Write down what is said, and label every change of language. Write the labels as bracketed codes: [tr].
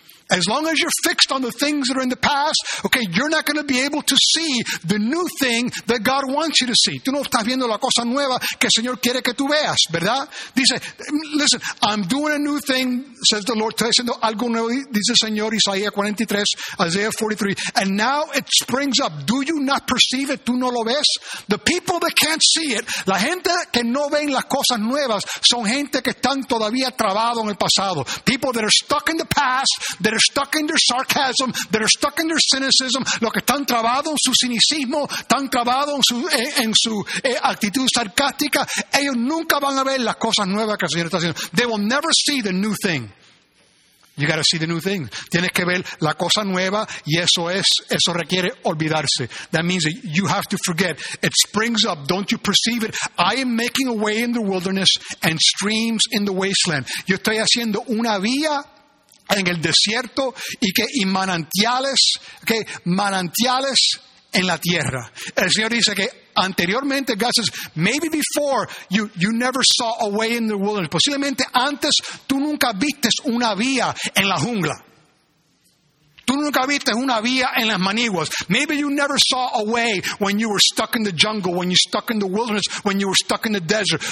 [en] As long as you're fixed on the things that are in the past, okay, you're not going to be able to see the new thing that God wants you to see. [es] Tú no estás viendo la cosa nueva que el Señor quiere que tú veas, ¿verdad? [en] Dice, listen, I'm doing a new thing, says the Lord. [es] Estoy haciendo algo nuevo, dice el Señor, Isaías 43, [en] Isaiah 43. And now it springs up. Do you not perceive it? [es] ¿Tú no lo ves? [en] The people that can't see it, [es] la gente que no ven las cosas nuevas, son gente que están todavía trabado en el pasado. [en] People that are stuck in the past, that they're stuck in their sarcasm, they're stuck in their cynicism, [es] los que están trabados en su cinicismo, están trabados en su actitud sarcástica, ellos nunca van a ver las cosas nuevas que el Señor está haciendo. [en] They will never see the new thing. You got to see the new thing. [es] Tienes que ver la cosa nueva y eso requiere olvidarse. [en] That means that you have to forget. It springs up. Don't you perceive it? I am making a way in the wilderness and streams in the wasteland. [es] Yo estoy haciendo una vía en el desierto y manantiales, okay, manantiales en la tierra. El Señor dice que anteriormente, [en] God says, maybe before you never saw a way in the wilderness. [es] Posiblemente antes tú nunca viste una vía en la jungla. Tú nunca viste una vía en las maniguas. [en] Maybe you never saw a way when you were stuck in the jungle, when you were stuck in the wilderness, when you were stuck in the desert.